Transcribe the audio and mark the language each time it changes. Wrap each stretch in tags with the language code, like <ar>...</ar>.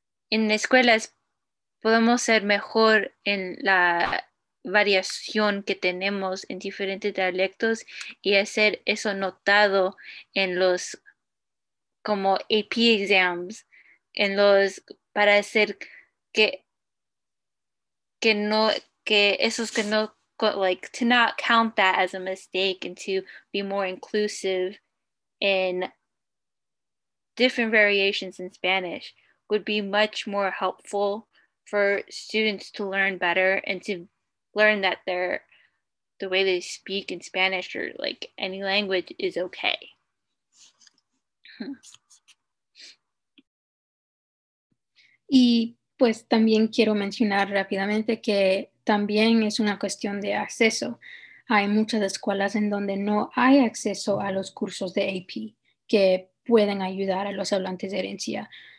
<es>En escuelas podemos ser mejor en la variación que tenemos en diferentes dialectos y hacer eso notado en los como AP exams, en los para hacer que no. Que esos que no,</es> <en>like, to not count that as a mistake and to be more inclusive in different variations in Spanish would be much more helpful for students to learn better and to learn that they're, the way they speak in Spanish or like any language is okay.</en> <es>Y pues también quiero mencionar rápidamente que también es una cuestión de acceso. Hay muchas escuelas en donde no hay acceso a los cursos de AP que pueden ayudar a los hablantes de herencia.</es>